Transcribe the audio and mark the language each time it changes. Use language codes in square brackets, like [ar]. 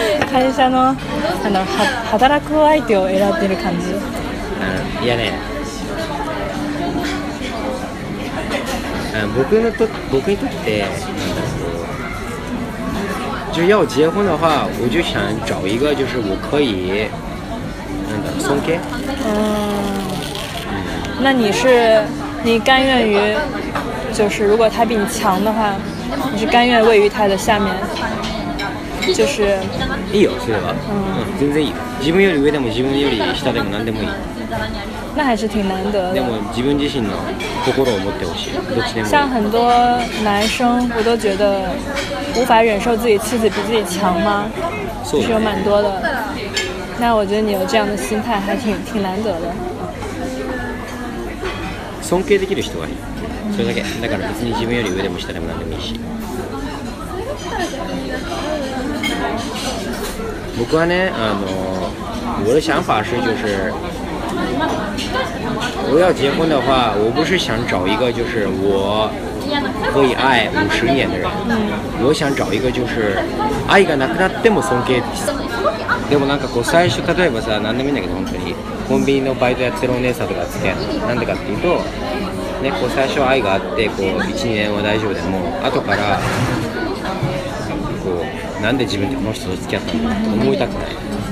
[ja] 会社 の, あの働く相手を選んでる感じ。いやね、僕にとって [zh] 就要结婚的话，我就想找一个就是我可以，送给。那你是，你甘愿于，就是如果他比你强的话，你是甘愿位于他的下面，就是。 [ja] いいよ、それは。全然いいよ。自分より上でも自分より下でも何でもいい。 [zh] 那还是挺难得的。 [ja] でも自分自身の心を持ってほしい。どっちでもいい。 [zh] 像很多男生，我都觉得。无法忍受自己妻子比自己强吗？是有蛮多的。那我觉得你有这样的心态还挺难得的。 [ja] 尊敬できる人がいい。それだけ。だから別に自分より上でも下でも何でもいいし。僕はね、 [zh] 我的想法是就是。我要结婚的话，我不是想找一个就是我可以爱五十年的人，我想找一个就是 [ja] 爱がなくなっても尊敬です。でもなんかこう最初、例えばさ、何でもいいんだけど、本当にコンビニのバイトやってるお姉さんとかって、なんでかっていうと、ね、こう最初愛があってこう1、2年は大丈夫でも、後からこうなんで自分ってこの人と付き合ったんだと思いたくない。